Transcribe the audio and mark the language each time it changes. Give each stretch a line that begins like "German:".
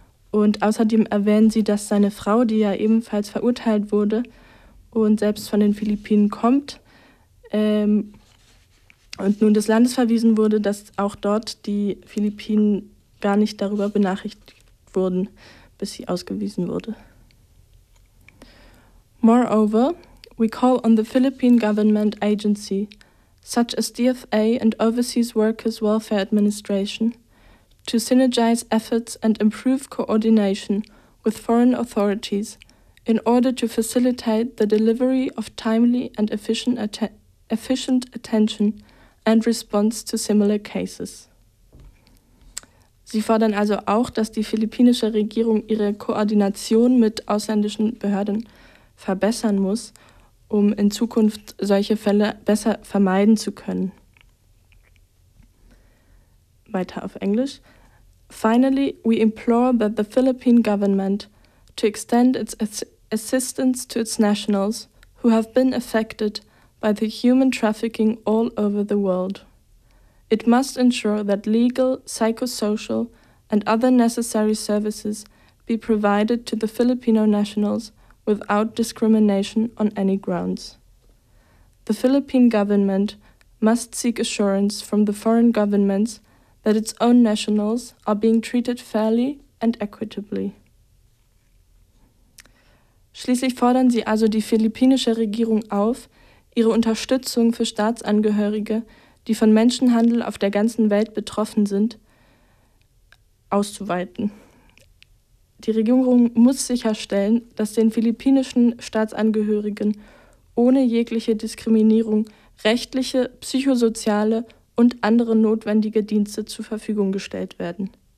German: Und außerdem erwähnen sie, dass seine Frau, die ja ebenfalls verurteilt wurde und selbst von den Philippinen kommt, und nun des Landes verwiesen wurde, dass auch dort die Philippinen gar nicht darüber benachrichtigt wurden, bis sie ausgewiesen wurde.
English: Moreover, we call on the Philippine Government Agency, such as DFA and Overseas Workers Welfare Administration, to synergize efforts and improve coordination with foreign authorities in order to facilitate the delivery of timely and efficient attention and response to similar cases.
German: Sie fordern also auch, dass die philippinische Regierung ihre Koordination mit ausländischen Behörden verbessern muss, um in Zukunft solche Fälle besser vermeiden zu können. Weiter auf Englisch.
English: Finally, we implore that the Philippine government to extend its assistance to its nationals who have been affected by the human trafficking all over the world. It must ensure that legal, psychosocial, and other necessary services be provided to the Filipino nationals without discrimination on any grounds. The Philippine government must seek assurance from the foreign governments that its own nationals are being treated fairly and equitably.
German: Schließlich fordern sie also die philippinische Regierung auf, ihre Unterstützung für Staatsangehörige, die von Menschenhandel auf der ganzen Welt betroffen sind, auszuweiten. Die Regierung muss sicherstellen, dass den philippinischen Staatsangehörigen ohne jegliche Diskriminierung rechtliche, psychosoziale und andere notwendige Dienste zur Verfügung gestellt werden.